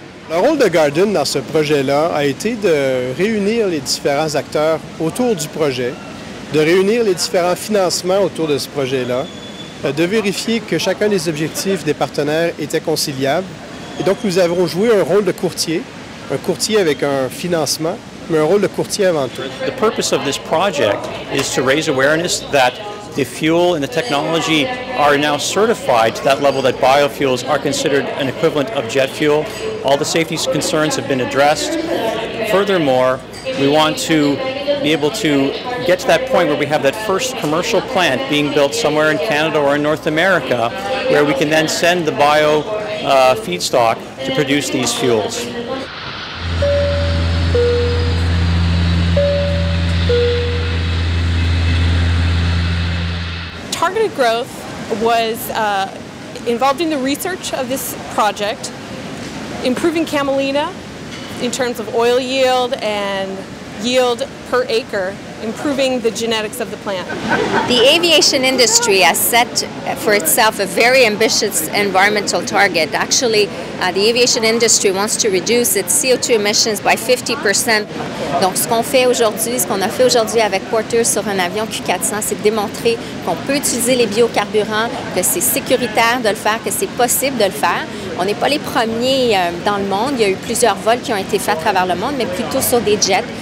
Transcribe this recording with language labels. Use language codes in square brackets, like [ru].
[fr] Le rôle de GARDN dans ce projet-là a été de réunir les différents acteurs autour du projet, de réunir les différents financements autour de ce projet-là, de vérifier que chacun des objectifs des partenaires était conciliable. Et donc, nous avons joué un rôle de courtier, un courtier avec un financement, mais un rôle de courtier avant tout. [en] The purpose of this project is to raise awareness that the fuel and the technology are now certified to that level that biofuels are considered an equivalent of jet fuel. All the safety concerns have been addressed. Furthermore, we want to be able to get to that point where we have that first commercial plant being built somewhere in Canada or in North America, where we can then send the bio feedstock to produce these fuels. Targeted growth was involved in the research of this project, improving Camelina in terms of oil yield and yield per acre, improving the genetics of the plant. The aviation industry has set for itself a very ambitious environmental target. Actually, the aviation industry wants to reduce its CO2 emissions by 50%. [fr] Donc ce qu'on fait aujourd'hui, ce qu'on a fait aujourd'hui avec Porter sur un avion Q400, c'est de démontrer qu'on peut utiliser les biocarburants, que c'est sécuritaire de le faire, que c'est possible de le faire. On n'est pas les premiers dans le monde. Il y a eu plusieurs vols qui ont été faits à travers le monde, mais plutôt sur des jets.